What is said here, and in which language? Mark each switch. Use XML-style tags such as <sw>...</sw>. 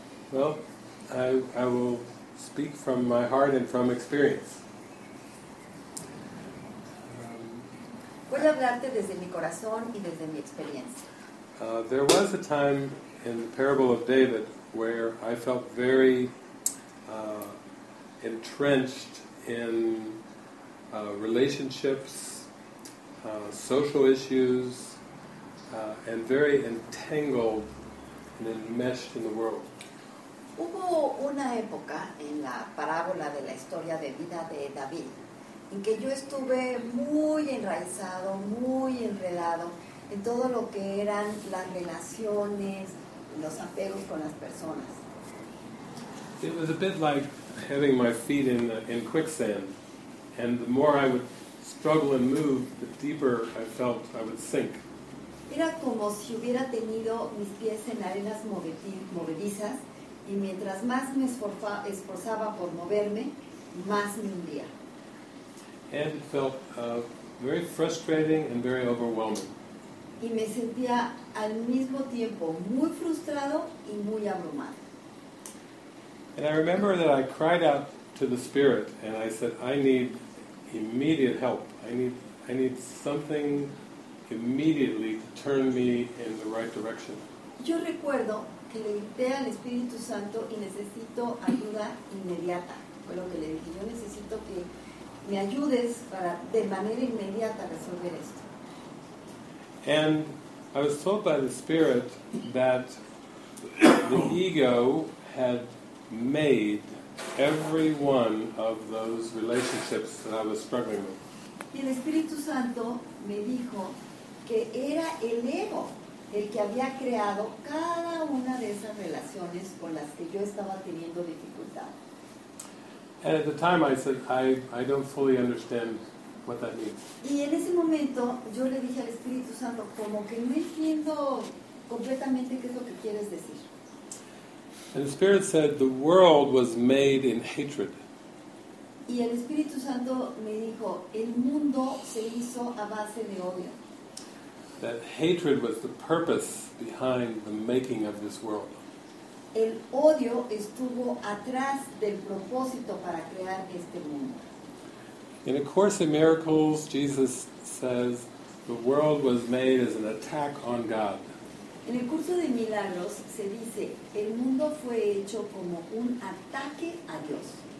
<en>Well, I will speak from my heart and from experience.</en> <es>Voy a hablarte desde mi corazón y desde mi experiencia.</es> <en>There was a time in the parable of David where I felt very entrenched in relationships, social issues, and very entangled and enmeshed in the world.</en> <es>Hubo una época en la parábola de la historia de vida de David en que yo estuve muy enraizado, muy enredado en todo lo que eran las relaciones, los apegos con las personas.</es> <en>It was a bit like having my feet in quicksand, and the more I would struggle and move, the deeper I felt I would sink.</en> <es>Era como si hubiera tenido mis pies en arenas movedizas, y mientras más me esforzaba por moverme, más me hundía.</es> <en>And it felt very frustrating and very overwhelming.</en> <es>y me sentía al mismo tiempo muy frustrado y muy abrumado.</es> <en>And I remember that I cried out to the Spirit and I said, I need immediate help. I need something immediately to turn me in the right direction.</en> <es>Yo recuerdo que le grité al Espíritu Santo y necesito ayuda inmediata. Fue lo que le dije. Yo necesito que me ayudes para de manera inmediata resolver esto.</es> <en>And I was told by the Spirit that the ego had made every one of those relationships that I was struggling with.</en> <es>Y el Espíritu Santo me dijo que era el ego el que había creado cada una de esas relaciones con las que yo estaba teniendo dificultad.</es> <en>And at the time I said, I don't fully understand what that means.</en> <es>Y en ese momento yo le dije al Espíritu Santo, como que no entiendo completamente qué es lo que quieres decir.</es> <en>And the Spirit said, the world was made in hatred.</en> <es>Y el Espíritu Santo me dijo, el mundo se hizo a base de odio.</es> <en>That hatred was the purpose behind the making of this world.</en> <es>El odio estuvo atrás del propósito para crear este mundo.</es> <en>In A Course in Miracles, Jesus says, the world was made as an attack on God.</en> <es>En el curso de milagros se dice, el mundo fue hecho como un ataque a Dios.</es>